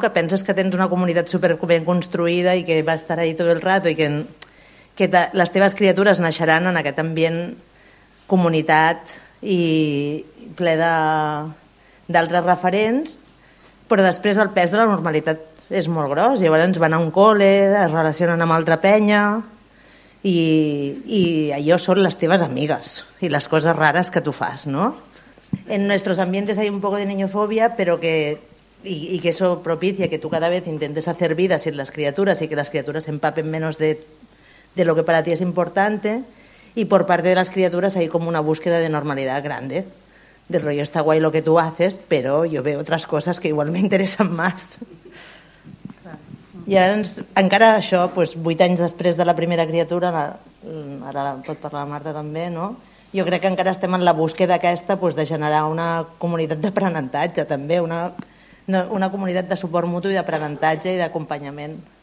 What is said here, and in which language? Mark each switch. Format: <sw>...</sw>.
<ca>Que penses que tens una comunitat super ben construïda i que va estar ahí tot el rato i que les teves criatures naixeran en aquest ambient comunitat i ple d'altres referents, però després el pes de la normalitat és molt gros. Llavors van a un col·le, es relacionen amb altra penya y allò són les teves amigues i les coses rares que tu fas, no?</ca> <es>En nuestros ambientes hay un poco de niñofobia, pero que y que eso propicia que tú cada vez intentes hacer vida sin las criaturas y que las criaturas se empapen menos de lo que para ti es importante. Y por parte de las criaturas hay como una búsqueda de normalidad grande. Del rollo, está guay lo que tú haces, pero yo veo otras cosas que igual me interesan más.</es> <ca>Llavors, encara això, pues, 8 anys després de la primera criatura, ara pot parlar la Marta també, no? Jo crec que encara estem en la búsqueda aquesta, pues, de generar una comunitat d'aprenentatge, també, una comunitat de suport mutu i d'aprenentatge i d'acompanyament.</ca>